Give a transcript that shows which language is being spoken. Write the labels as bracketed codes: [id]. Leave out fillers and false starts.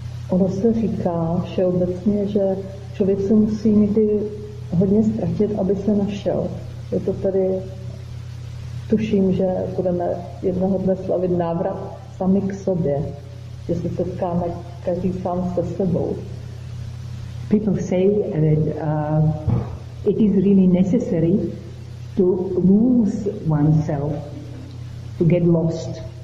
[sk] Ono sa říká všeobecne, že človek sa musí niekedy hodne stratiť, aby sa našiel. [cs] Je to tady, tuším, že budeme jednoho dne slavit návrat sami k sobě, že se setkáme každý sám se sebou. [en] People say that it is really necessary to lose oneself, to get lost.